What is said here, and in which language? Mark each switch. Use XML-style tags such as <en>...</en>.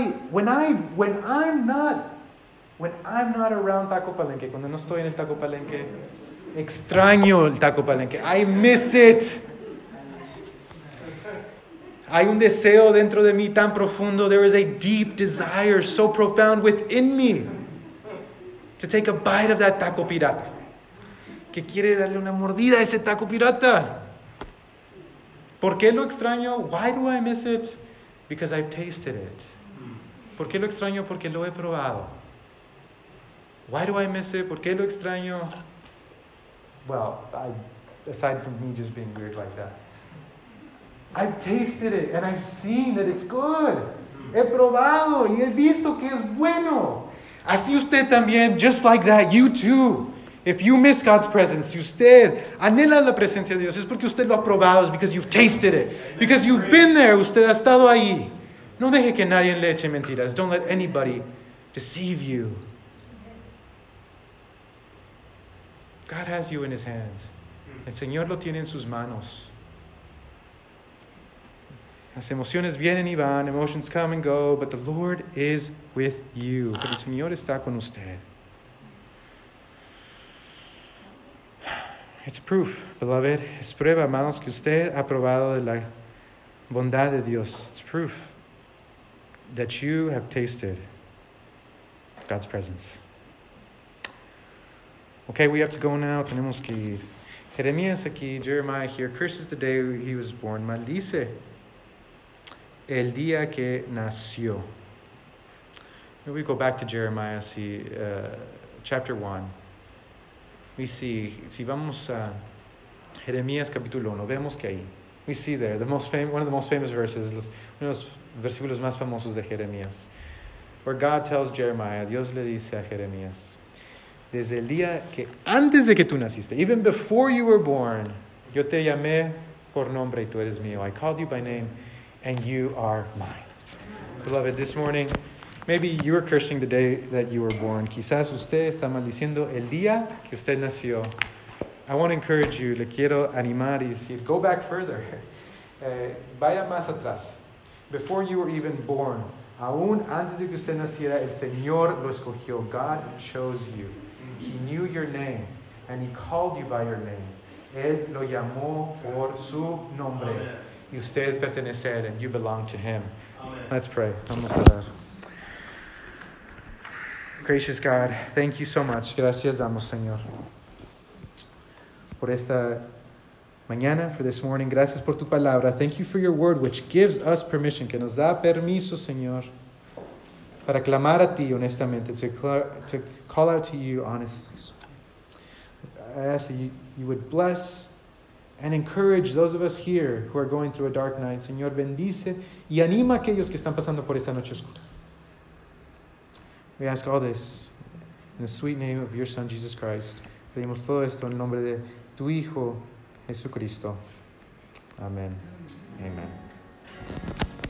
<en>When I'm not around</en> <es>Taco Palenque, cuando no estoy en el Taco Palenque, extraño el Taco Palenque.</es> <en>I miss it.</en> <es>Hay un deseo dentro de mí tan profundo.</es> <en>There is a deep desire so profound within me to take a bite of that taco pirata.</en> <es>Que quiere darle una mordida a ese taco pirata. ¿Por qué lo extraño?</es> <en>Why do I miss it? Because I've tasted it. ¿Por qué lo extraño?</en> <es>Porque lo he probado.</es> <en>Why do I miss it?</en> <es>¿Por qué lo extraño?</es> <en>Well, aside from me just being weird like that. I've tasted it and I've seen that it's good.</en> <es>He probado y he visto que es bueno. Así usted también,</es> <en>just like that, you too. If you miss God's presence,</en> <es>si usted anhela la presencia de Dios, es porque usted lo ha probado, es</es> <en>because you've tasted it. Because you've been there,</en> <es>usted ha estado ahí. No deje que nadie le eche mentiras.</es> <en>Don't let anybody deceive you. God has you in his hands.</en> <es>El Señor lo tiene en sus manos. Las emociones vienen y van,</es> <en>emotions come and go, but the Lord is with you.</en> <es>Pero el Señor está con usted.</es> <en>It's proof, beloved.</en> <es>Es prueba, amados, que usted ha probado de la bondad de Dios.</es> <en>It's proof that you have tasted God's presence. Okay, we have to go now.</en> <es>Tenemos que ir. Jeremías aquí,</es> <en>Jeremiah here. Curses the day he was born.</en> <es>Maldice el día que nació.</es> <en>Here we go back to Jeremiah, see, chapter 1. We see,</en> <es>si vamos a Jeremías capítulo 1, vemos que ahí.</es> <en>We see there, one of the most famous verses,</en> <es>uno de los versículos más famosos de Jeremías.</es> <en>Where God tells Jeremiah,</en> <es>Dios le dice a Jeremías, desde el día que antes de que tú naciste,</es> <en>even before you were born,</en> <es>yo te llamé por nombre y tú eres mío.</es> <en>I called you by name. And you are mine. Beloved, this morning, maybe you are cursing the day that you were born.</en> <es>Quizás usted está maldiciendo el día que usted nació.</es> <en>I want to encourage you.</en> <es>Le quiero animar y decir,</es> <en>go back further.</en> <es>Vaya más atrás.</es> <en>Before you were even born,</en> <es>aún antes de que usted naciera, el Señor lo escogió.</es> <en>God chose you. He knew your name. And he called you by your name.</en> <es>Él lo llamó por su nombre. Amen. Y usted pertenece a él,</es> <en>and you belong to him. Amen. Let's pray.</en> <es>Vamos a orar.</es> <en>Gracious God, thank you so much.</en> <es>Gracias damos, Señor. por esta mañana,</es> <en>for this morning.</en> <es>Gracias por tu palabra.</es> <en>Thank you for your word, which gives us permission,</en> <es>que nos da permiso, Señor, para clamar a ti honestamente,</es> <en>to call out to you honestly. So I ask that you would bless and encourage those of us here who are going through a dark night.</en> <es>Señor, bendice y anima a aquellos que están pasando por esta noche oscura.</es> <en>We ask all this in the sweet name of your Son, Jesus Christ.</en> <es>Pedimos todo esto en nombre de tu Hijo, Jesucristo. Amen. Amen. Amen.</es>